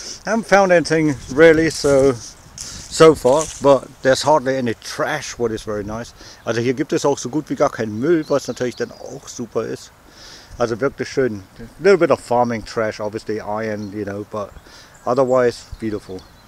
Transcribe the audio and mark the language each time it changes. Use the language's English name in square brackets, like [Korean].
[English] I haven't found anything really so far, but there's hardly any trash, what is very nice. [German] Also hier gibt es auch so gut wie gar keinen Müll, was natürlich dann auch super ist. Also wirklich schön. [English] A little bit of farming trash, obviously iron, you know, but otherwise beautiful.